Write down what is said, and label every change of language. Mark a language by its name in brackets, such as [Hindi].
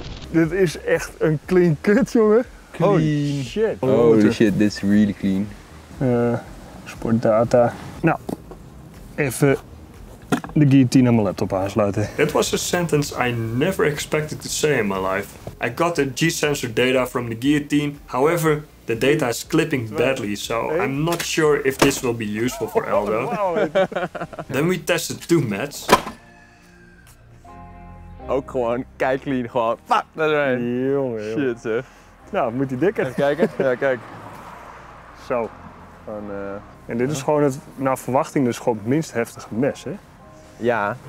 [Dutch] Dit is echt een clean cut, jongen. Clean. [English] Oh, shit. Holy shit, this is really clean. [Dutch] Sportdata. Nou, even de guillotine aan mijn laptop aansluiten. [English] It was a sentence I never expected to say in my life. I got the G-sensor data from the guillotine. However, the data is clipping badly, so I'm not sure if this will be useful for Aldo. Then we tested two mats. [Dutch] Ook gewoon, kijk clean, gewoon, fuck, dat is een. Jongen, shit, zeg. Nou, moet die dikker. Even kijken, ja, kijk. Zo. En dit is gewoon het, naar verwachting, dus gewoon het minst heftige mes, hè? Ja.